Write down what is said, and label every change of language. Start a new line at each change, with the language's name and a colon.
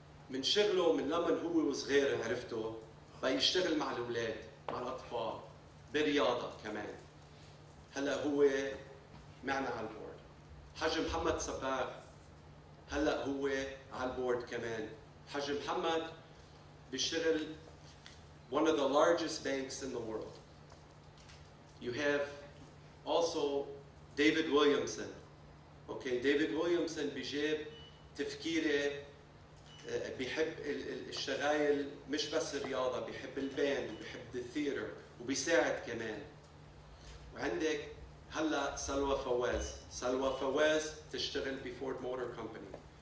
Arabic: من شغله من لما هو صغير عرفته بيشتغل مع الاولاد مع الاطفال بالرياضه كمان هلا هو معنا على البورد. حاج محمد صباغ هلا هو على البورد كمان.
English: حاج محمد
Arabic: بيشتغل
English: one of the largest banks in the world. You have also David Williamson.
Arabic: Okay, David Williamson بجيب تفكيره بحب الشغايل مش بس الرياضه، بحب الباند وبحب الثيتر وبيساعد كمان. وعندك هلا سلوى فواز تشتغل بفورد موتور كومباني.